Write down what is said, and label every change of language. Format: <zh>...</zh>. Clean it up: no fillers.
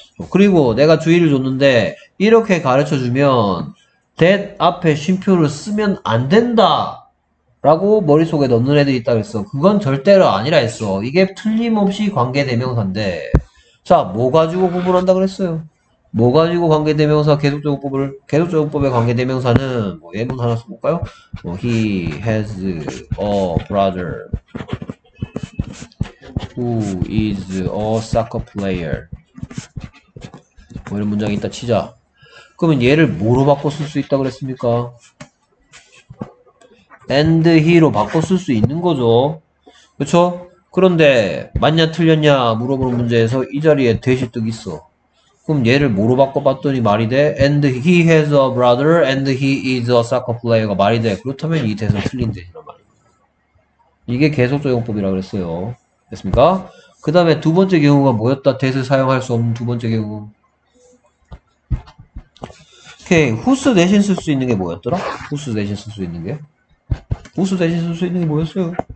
<ko>그리고 내가 주의를 줬는데 이렇게 가르쳐 주면 that 앞에 쉼표를 쓰면 안 된다 라고 머릿속에 넣는 애들이 있다 그랬어. 그건 절대로 아니라 했어. 이게 틀림없이 관계대명사인데. 자, 뭐 가지고 구분한다 그랬어요? 뭐 가지고 관계대명사 계속적용법의 관계대명사는 뭐 예문 하나 써볼까요?</ko> <en>뭐, he has a brother who is a soccer player.</en> <ko>뭐 이런 문장이 있다 치자. 그러면 얘를 뭐로 바꿔 쓸수 있다 그랬습니까? and he로 바꿔 쓸수 있는 거죠. 그렇죠? 그런데 맞냐 틀렸냐 물어보는 문제에서 이 자리에 that이 뜨고 있어. 그럼 얘를 뭐로 바꿔 봤더니 말이 돼?</ko> <en>and he has a brother and he is a soccer player가</en> <ko>말이 돼. 그렇다면 이 that은 틀린 that이란 말이에요. 이게 계속적 용법이라 그랬어요. 됐습니까? 그 다음에 두 번째 경우가 뭐였다? that을 사용할 수 없는 두 번째 경우. 오케이, 후스 대신 쓸수 있는 게 뭐였더라? 후스 대신 쓸수 있는 게? 후스 대신 쓸수 있는 게 뭐였어요?</ko>